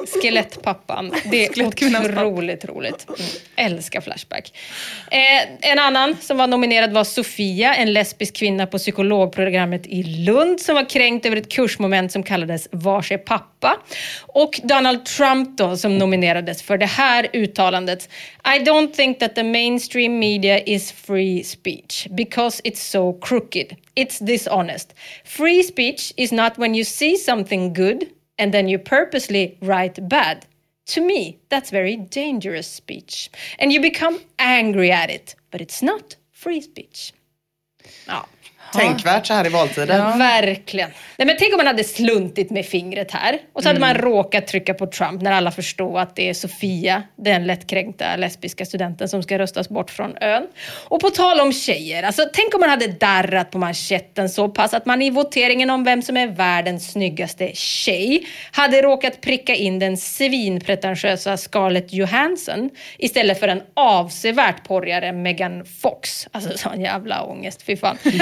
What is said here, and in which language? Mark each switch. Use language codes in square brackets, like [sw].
[sv] Skelettpappan. Det är otroligt roligt. Älskar Flashback. En annan som var nominerad var Sofia, en lesbisk kvinna på psykologprogrammet i Lund som var kränkt över ett kursmoment som kallades Vars är pappa? Och Donald Trump då, som nominerades för det här uttalandet. [en] I don't think that the mainstream media is free speech because it's so crooked. It's dishonest. Free speech is not when you see something good and then you purposely write bad. To me, that's very dangerous speech. And you become angry at it. But it's not free speech. [sv] Ja. Tänkvärt så här i valtiden. Ja. Verkligen. Nej, men tänk om man hade sluntit med fingret här. Och så hade man råkat trycka på Trump när alla förstår att det är Sofia, den lättkränkta lesbiska studenten som ska röstas bort från ön. Och på tal om tjejer, alltså, tänk om man hade darrat på manchetten så pass att man i voteringen om vem som är världens snyggaste tjej hade råkat pricka in den svinpretentiösa Scarlett Johansson istället för en avsevärt porrigare Megan Fox. Alltså sån jävla ångest, fy fan.